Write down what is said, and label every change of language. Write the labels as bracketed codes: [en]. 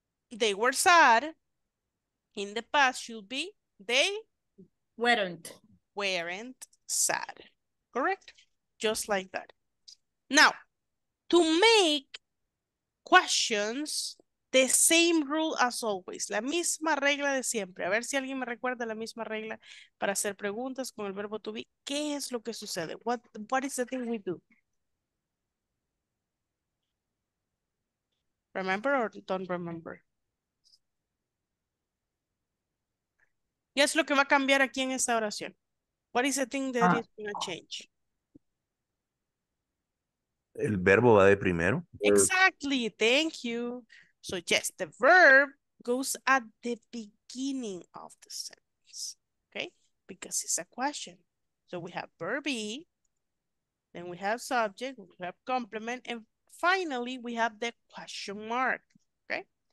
[en] They were sad. In the past should be they weren't sad. Correct? Just like that. Now, to make questions, the same rule as always. [es] La misma regla de siempre. A ver si alguien me recuerda la misma regla para hacer preguntas con el verbo to be. ¿Qué es lo que sucede? [en] What is the thing we do? Remember or don't remember? [es] ¿Qué es lo que va a cambiar aquí en esta oración? [en] What is the thing that is going to change? [es] El verbo va de primero. [en] Exactly. Thank you. So yes, the verb goes at the beginning of the sentence, okay? Because it's a question. So we have verb be, then we have subject, we have complement, and finally we have the question mark, okay?